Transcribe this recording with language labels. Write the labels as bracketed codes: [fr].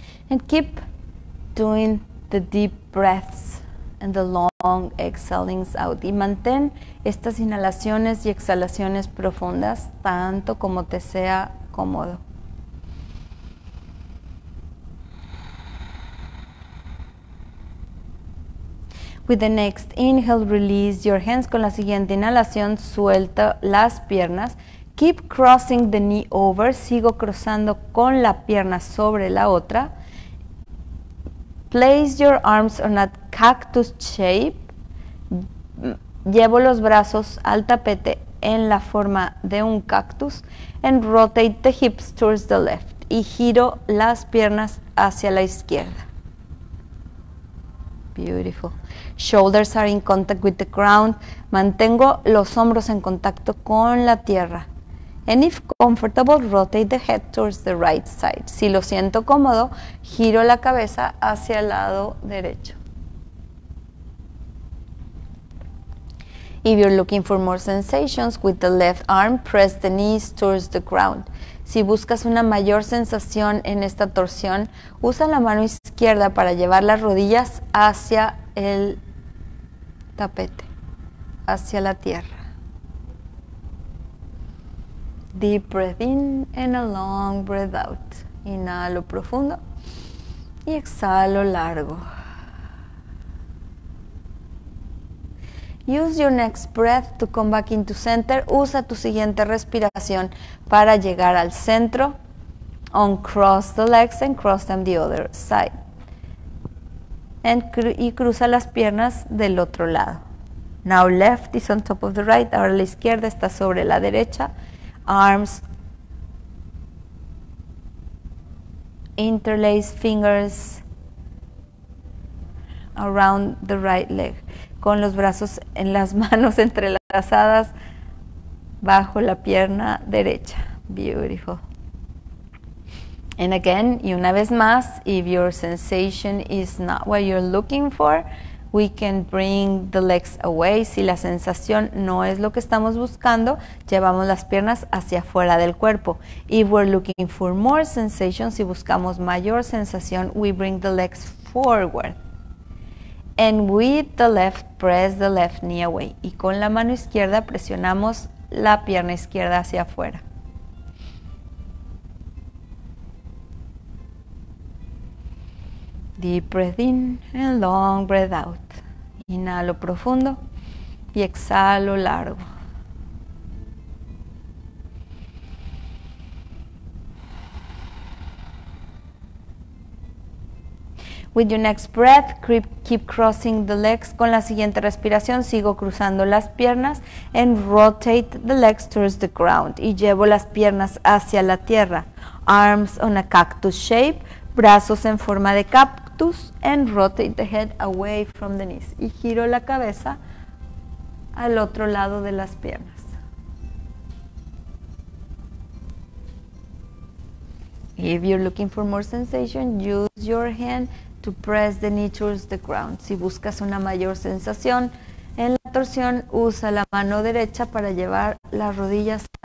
[en] And keep doing the deep breaths and the long exhalings out. [es] Y mantén estas inhalaciones y exhalaciones profundas tanto como te sea cómodo. [en] With the next inhale, release your hands. [es] Con la siguiente inhalación, suelta las piernas. [en] Keep crossing the knee over. [es] Sigo cruzando con la pierna sobre la otra. [en] Place your arms on a cactus shape. [es] Llevo los brazos al tapete en la forma de un cactus. [en] And rotate the hips towards the left. [es] Y giro las piernas hacia la izquierda. [en] Beautiful. Shoulders are in contact with the ground. [es] Mantengo los hombros en contacto con la tierra. [en] And if comfortable, rotate the head towards the right side. [es] Si lo siento cómodo, giro la cabeza hacia el lado derecho. [en] If you're looking for more sensations with the left arm, press the knees towards the ground. [es] Si buscas una mayor sensación en esta torsión, usa la mano izquierda para llevar las rodillas hacia el tapete, hacia la tierra. [en] Deep breath in and a long breath out. [es] Inhalo profundo y exhalo largo. [en] Use your next breath to come back into center. [es] Usa tu siguiente respiración para llegar al centro. [en] Uncross the legs and cross them the other side. And [es] cruza las piernas del otro lado. [en] Now left is on top of the right. [es] Ahora la izquierda está sobre la derecha. [en] Arms interlace fingers around the right leg. [es] Con los brazos en las manos entrelazadas bajo la pierna derecha. [en] Beautiful. And again, [es] y una vez más, [en] if your sensation is not what you're looking for, we can bring the legs away. [es] Si la sensación no es lo que estamos buscando, llevamos las piernas hacia afuera del cuerpo. [en] If we're looking for more sensation, [es] si buscamos mayor sensación, [en] we bring the legs forward. And with the left, press the left knee away. [es] Y con la mano izquierda, presionamos la pierna izquierda hacia afuera. [en] Deep breath in and long breath out. [es] Inhalo profundo y exhalo largo. [en] With your next breath, keep crossing the legs. [es] Con la siguiente respiración, sigo cruzando las piernas [en] and rotate the legs towards the ground. [es] Y llevo las piernas hacia la tierra. [en] Arms on a cactus shape, [es] brazos en forma de cactus. [en] And rotate the head away from the knees. [es] Y giro la cabeza al otro lado de las piernas. [en] If you're looking for more sensation, use your hand to press the knee towards the ground. [es] Si buscas una mayor sensación en la torsión, usa la mano derecha para llevar las rodillas.